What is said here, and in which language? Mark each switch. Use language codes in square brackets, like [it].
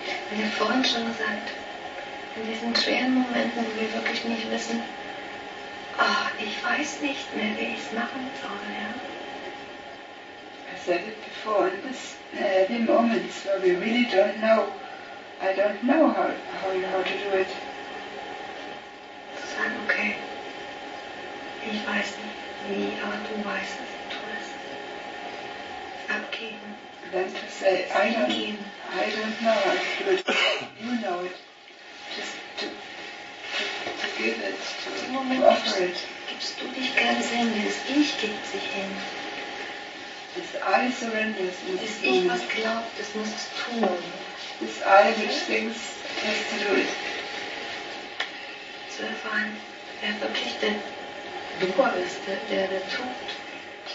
[de] Wie er vorhin schon gesagt, in diesen schweren Momenten, wo wir wirklich nicht wissen, oh, ich weiß nicht mehr, wie ich es machen soll. Ja. [en] I said it before, in these heavy moments where we really don't know, I don't know how to do it. [de] Zu sagen, okay, ich weiß nicht, wie, aber du weißt, was du tust. Abgeben. [en] Then to say, I don't know how to do it. You know it. Just to give it, to offer it. [de] Gibst du dich ganz hin, das Ich gibt sich hin. [en] This I surrenders in this [de] moment. Das Ich, was glaubt, das muss es tun. [en] This I, which thinks, has to do it. [de] Zu erfahren, wer wirklich der Du bist, der tut.